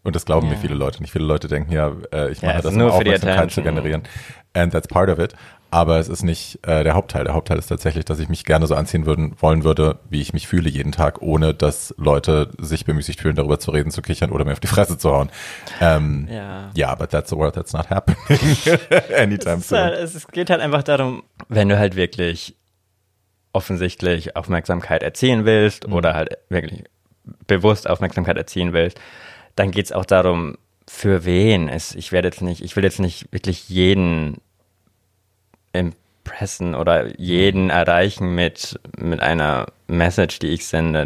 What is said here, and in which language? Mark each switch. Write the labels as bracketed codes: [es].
[de] Und das glauben mir viele Leute nicht. Viele Leute denken, ich mache das, nur um Aufmerksamkeit zu generieren. [en] And that's part of it. [de] Aber es ist nicht der Hauptteil. Der Hauptteil ist tatsächlich, dass ich mich gerne so anziehen wollen würde, wie ich mich fühle jeden Tag, ohne dass Leute sich bemüßigt fühlen, darüber zu reden, zu kichern oder mir auf die Fresse zu hauen. [en] But that's the world that's not happening anytime soon. [de] Es geht halt einfach darum, wenn du halt wirklich offensichtlich Aufmerksamkeit erzielen willst oder halt wirklich bewusst Aufmerksamkeit erzielen willst, dann geht es auch darum, für wen. Ich will jetzt nicht wirklich jeden impressen oder jeden erreichen mit einer Message, die ich sende.